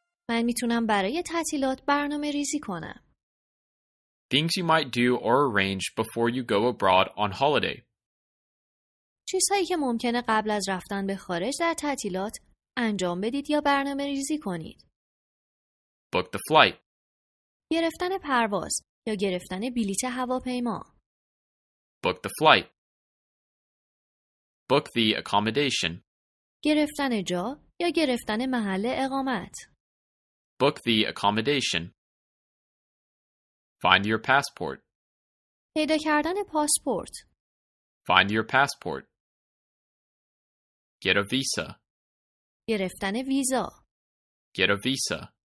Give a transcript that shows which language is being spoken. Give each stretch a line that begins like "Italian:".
Persian: من میتونم برای تعطیلات برنامه ریزی کنم.
English: Things you might do or arrange before you go abroad on holiday.
Persian: چیزهایی که ممکنه قبل از رفتن به خارج در تعطیلات انجام بدید یا برنامه ریزی کنید.
English: Book the flight.
Persian: گرفتن پرواز یا گرفتن بلیط هواپیما.
English: Book the flight. Book the accommodation.
Persian: گرفتن جا یا گرفتن محل اقامت.
English: Book the accommodation. Find your passport.
Persian: پیدا کردن پاسپورت.
English: Find your passport. Get a visa.
Persian: گرفتن ویزا.
English: Get a visa.